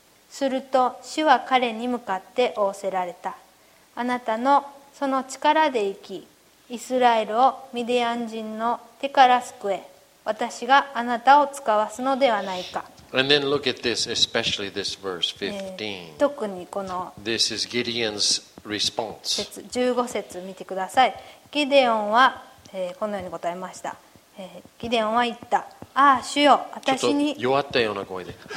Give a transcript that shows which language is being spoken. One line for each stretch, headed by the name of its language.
Japanese: すると主は彼に向かって仰せられた。あなたのその力で生き、イスラエルをミディアン人の手から救え。私があなたを使わすのではないか。
English: And then look at this, especially this verse 15.
Japanese: 特にこの
English: This is Gideon's response.
Japanese: 15節見てください。ギデオンは、このように答えました。ギデオンは言った。ああ主よ、私にちょっと弱ったような声で、